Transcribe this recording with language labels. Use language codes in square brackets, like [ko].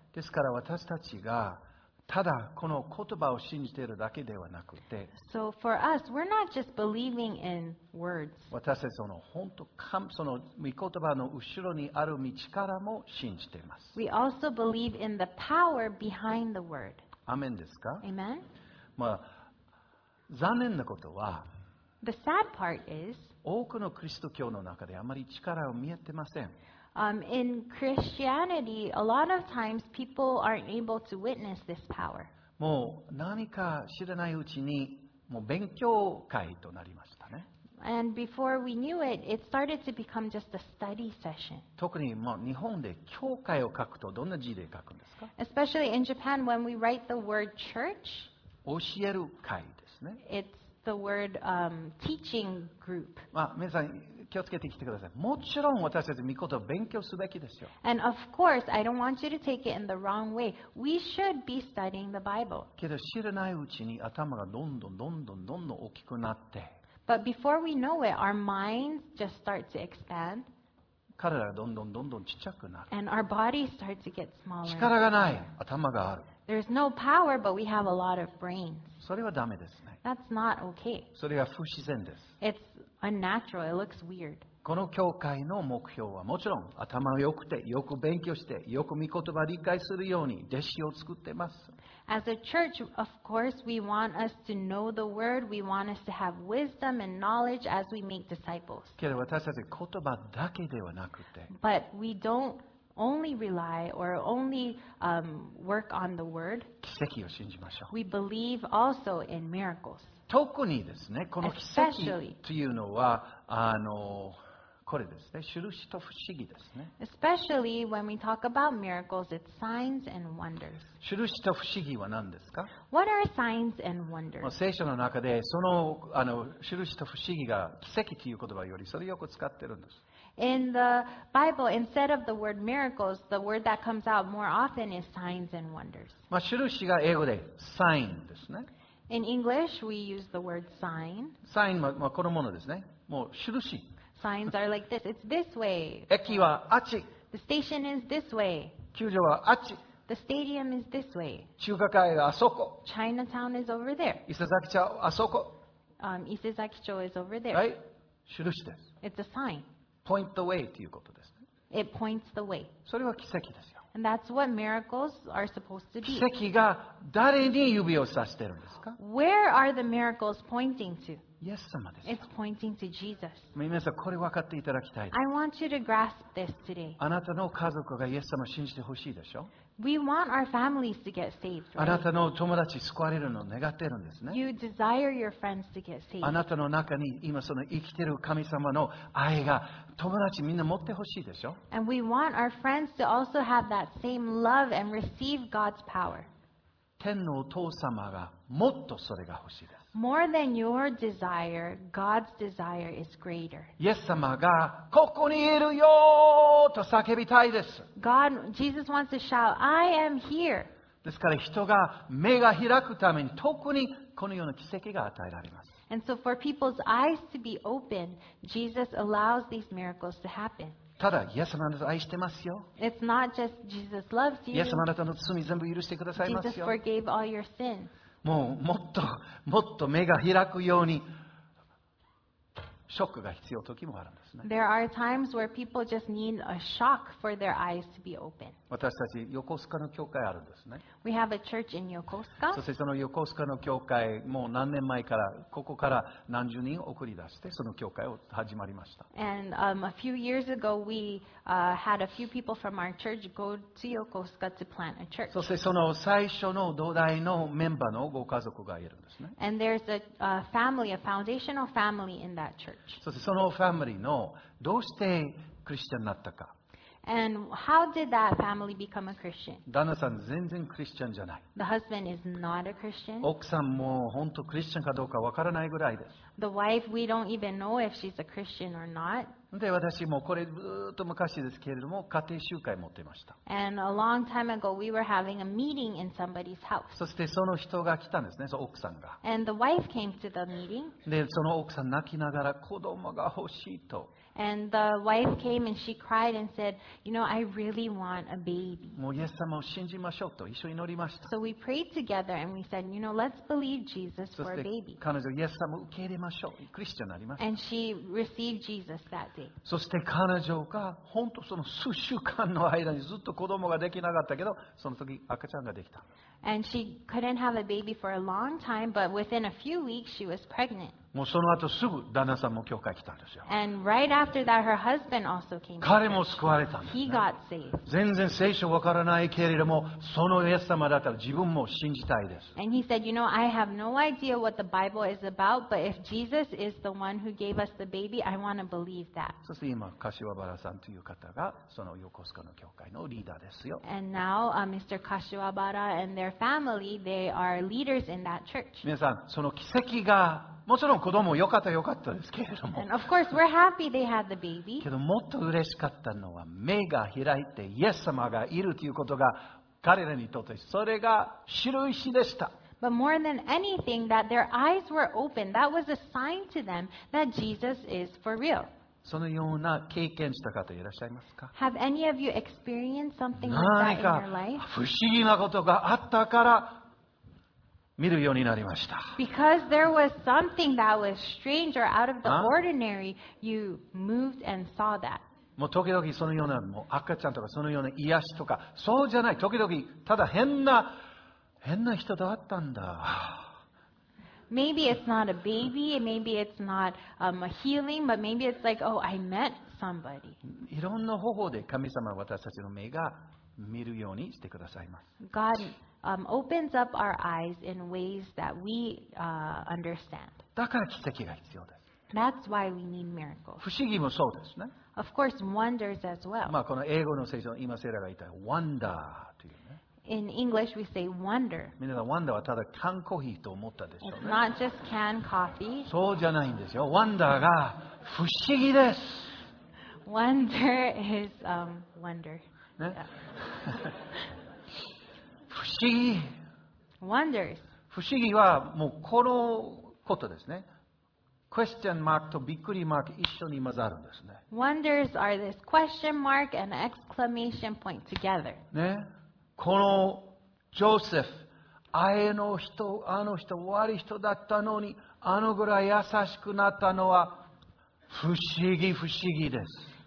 [ja] ですから私たちが、ただこの言葉を信じているだけではなくて、 [en] so for us, we're not just believing in words. [ja] 私たちその本当その御言葉の後ろにある御力も信じています。 [en] We also believe in the power behind the word. [ja] アメンですか？ [en] Amen. [ja] まあ残念なことは、 [en] the sad part is, [ja] 多くのキリスト教の中であまり力を見えてません。 [en] In Christianity, a lot of times people aren't able to witness this power. [ja] もう何か知らないうちにもう勉強会となりましたね。 [en] And before we knew it, it started to become just a study session. [ja] 特にまあ日本で教会を書くとどんな字で書くんですか？ [en] Especially in Japan, when we write the word church, [ja] 教える会ですね。 [en] It's the word teaching group. [ja] まあ皆さん。気をつけてきてください。もちろん私たち御言葉を勉強すべきですよ。 [en] And of course, I don't want you to take it in the wrong way. We should be studying the Bible. [ja] けど知らないうちに頭がどんどんどんどんどんどん大きくなって。 [en] But before we know it, our minds just start to expand. [ja] 体がどんどんどんどんちっちゃくなる。 [en] And our bodies start to get smaller. [ja] 力がない。頭がある。 [en] There's no power, but we have a lot of brains. [ja] それはダメですね。 [en] That's not okay. [ja] それは不自然です。 [en] It's unnatural. It looks weird. [ja] この教会の目標はもちろん頭が良くてよく勉強してよく御言葉を理解するように弟子を作ってます。 [en] As a church, of course, we want us to know the word. We want us to have wisdom and knowledge as we make disciples. [ja] けど私たち言葉だけではなくて、 [en] but we don'tonly rely or only work on the word. [ja] 奇跡を信じましょう。 [en] We believe also in miracles. [ja] 特にですね、この奇跡というのはこれですね、印と不思議ですね。 [en] Especially when we talk about miracles, it's signs and wonders. [ja] 印と不思議は何ですか？ [en] What are signs and wonders? [ja] 聖書の中でその印と不思議が奇跡という言葉よりそれをよく使っているんです。 [en] In the Bible, instead of the word miracles, the word that comes out more often is signs and wonders. [ja] まあ、印が英語でサインですね。 [en] In English, we use the word sign. [ja] サインは、まあ、このものですね。もう印。 [en] Signs are like this. It's this way. [ja] 駅はあっち。 [en] The station is this way. [ja] 球場はあっち。 [en] The stadium is this way. [ja] 中華街はあそこ。 [en] Chinatown is over there. [ja] 伊勢崎町あそこ。 [en] 伊勢崎町 is over there. [ja] はい。印です。 [en] It's a sign. Point the way [ja] ということですね。 [en] It points the way. [ja] それは奇跡ですよ。 [en] And that's what miracles are supposed to be. [ja] 奇跡が誰に指を指しているんですか？ [en] Where are the miracles pointing to? [ja] イエス様ですよ。 [en] It's pointing to Jesus. [ja] 皆さんこれ分かっていただきたいです。 [en] I want you to grasp this today. [ja] あなたの家族がイエス様を信じてほしいでしょ？ [en] We want our families to get saved, right? [ja] あなたの友達救われるのを願っているんですね。 [en] You desire your friends to get saved. [ja] あなたの中に今その生きている神様の愛が友達みんな持ってほしいでしょ。 [en] And we want our friends to also have that same love and receive God's power. [ja] 天のお父様がもっとそれが欲しいです。 [en] More than your desire, God's desire is greater. [ja] イエス様がここにいるよと叫びたいです。 [en] God, Jesus wants to shout, I am here. [ja] ですから人が目が開くために特にこのような奇跡が与えられます。 [en] And so for people's eyes to be open, Jesus allows these miracles to happen. [ja] ただイエス様あなた愛してますよ。 [en] It's not just Jesus loves you. [ja] イエス様あなたの罪全部許してくださいますよ。 [en] Jesus forgave all your sins. [ja] もうもっともっと目が開くようにショックが必要な時もあるんですね。 [en] There are times where people just need a shock for their eyes to be open. [ja] 私たち横須賀の教会あるんですね。 [en] We have a church in Yokosuka. [ja] そしてその横須賀の教会もう何年前からここから何十人送り出してその教会を始まりました。 [en] And a few years ago, we had a few people from our church go to Yokosuka to plant a church. [ja] そしてその最初の土台のメンバーのご家族がいるんですね。 [en] And there's a family, a foundational family in that church. [ja] そしてそのファミリーのどうしてクリスチャンになったか。 [en] And how did that family become a Christian? [ja] 旦那さん全然クリスチャンじゃない。 [en] The husband is not a Christian. [ja] 奥さんも本当クリスチャンかどうかわからないぐらいです。 [en] The wife, we don't even know if she's a Christian or not. [ja] で、私もこれずっと昔ですけれども、家庭集会持ってました。 [en] And a long time ago, we were having a meeting in somebody's house. [ja] そしてその人が来たんですね、その奥さんが。 [en] And the wife came to the meeting. [ja] で、その奥さん泣きながら子供が欲しいと。 [en] And the wife came and she cried and said, "You know, I really want a baby." [ja] もうイエス様を信じましょうと一緒に祈りました。 [en] So we prayed together and we said, "You know, let's believe Jesus for a baby." [ja] そして彼女イエス様を受け入れましょう。クリスチャンになりました。 [en] And she received Jesus that day. [ja] そして彼女が本当その数週間の間にずっと子供ができなかったけど、その時赤ちゃんができた。 [en] And she couldn't have a baby for a long time, but within a few weeks she was pregnant. [ja] もうその後すぐ旦那さんも教会来たんですよ。 [en] And right after that, her husband also came. [ja] 彼も救われたんですね。 [en] He got saved. [ja] 全然聖書わからないけれども、そのイエス様だったら自分も信じたいです。 [en] And he said, you know, I have no idea what the Bible is about, but if Jesus is the one who gave us the baby, I want to believe that. [ja] そして今柏原さんという方がその横須賀の教会のリーダーですよ。 [en] And now, Mr. Kashiwabara and their family, they are leaders in that church. [ja] 皆さん、その奇跡がもちろん子供良かった良かったですけれども。 [en] And of course, we're happy they had the baby. [ja] けどもっと嬉しかったのは目が開いてイエス様がいるということが彼らにとってそれが印でした。 [en] But more than anything, that their eyes were open, that was a sign to them that Jesus is for real. [ja] そのような経験した方いらっしゃいますか？ [en] Have any of you experienced something like that in your life? [ja] 何か不思議なことがあったから。見るようになりました。 [en] Because there was something that was strange or out of the ordinary, you moved and saw that. [ja] もう時々そのようなもう赤ちゃんとかそのような癒しとかそうじゃない。時々ただ変な人と会ったんだ。 [en] Maybe it's not a baby, maybe it's not a healing, but maybe it's like, oh, I met somebody. [ja] いろんな方法で神様は私たちの目が見るようにしてくださいます。 [en] God opens up our eyes in ways that we understand. [ja] だから奇跡が必要です。 [en] That's why we need miracles. [ja] 不思議もそうですね。 [en] Of course, wonders as well. [ja] まあこの英語の聖書の今セラが言った wonder というね。 [en] In English, we say wonder. [ja] みんな wonder はただ缶コーヒーと思ったでしょうね。 [en] It's not just canned coffee. [ja] そうじゃないんですよ。 wonder が不思議です。 [en] Wonder is wonder. [ja] 不思議。 [en] Wonders. [ja] 不思議はもうこのことですね。 Question mark とびっくりマーク一緒に混ざるんですね。 [en] Wonders are this question mark and exclamation point together. [ja] ね、このジョセフ、あの人悪い人だったのにあのぐらい優しくなったのは不思議不思議です。